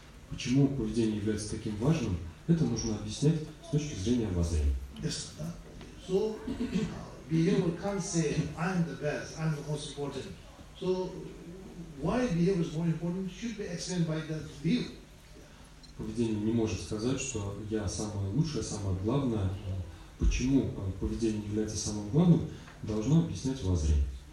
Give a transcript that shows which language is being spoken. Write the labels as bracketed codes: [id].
[ru] Почему поведение является таким важным? Это нужно объяснять с точки зрения воззрения. [en] Yes. So behavior can't say I'm the best, I'm the most important. So why behavior is more important should be explained by that view. [ru] Поведение не может сказать, что я самое лучшее, самое главное. Почему поведение является самым главным, должно объяснять воззрение.